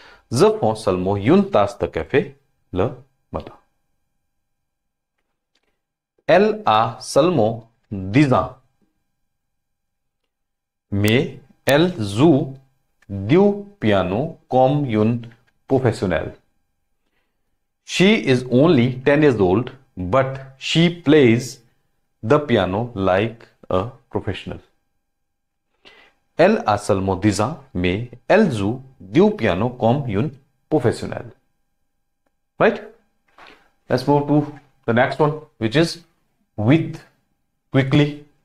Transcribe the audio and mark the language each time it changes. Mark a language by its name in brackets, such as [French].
[French] Je prends seulement une tasse de café le matin. Elle a seulement 10 ans. Mais elle joue du piano comme une professionnelle. [English] She is only 10 years old, but she plays the piano like a professional. [French] Elle a seulement 10 ans, mais elle joue du piano comme une professionnelle. [English] Right? Let's move to the next one, which is with, quickly.